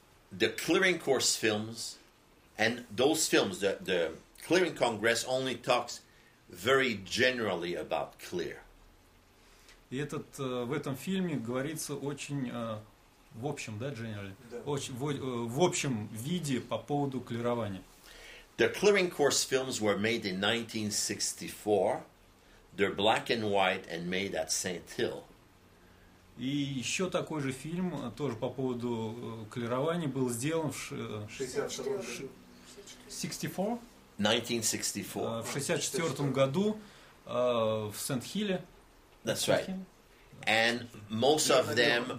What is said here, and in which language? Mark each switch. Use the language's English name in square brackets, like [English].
[English] The Clearing Course films and those films, the Clearing Congress only talks very generally about clear. [Russian] И этот в этом фильме говорится очень в общем, да, generally, в общем виде по поводу клирования. [English] The Clearing Course films were made in 1964. They're black and white and made at St. Hill. [Russian] И еще такой же фильм тоже по поводу клирования был сделан в 64 году в Сент-Хилле. [English] That's right. And most of them...